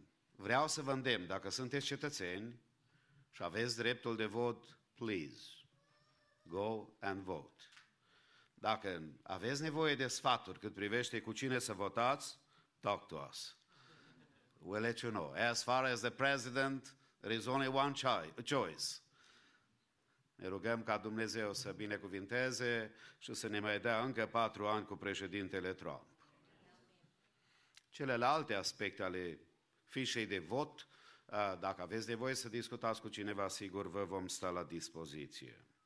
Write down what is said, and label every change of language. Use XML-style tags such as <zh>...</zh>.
<ro>Vreau să vă îndemn, dacă sunteți cetățeni și aveți dreptul de vot,</ro> <en>please, go and vote.</en> <ro>Dacă aveți nevoie de sfaturi cât privește cu cine să votați,</ro> <en>talk to us. We'll let you know. As far as the president, there is only one choice.</en> <ro>Ne rugăm ca Dumnezeu să binecuvinteze și să ne mai dea încă 4 ani cu președintele Trump. Celelalte aspecte ale fișei de vot, dacă aveți nevoie să discutați cu cineva, sigur vă vom sta la dispoziție.</ro>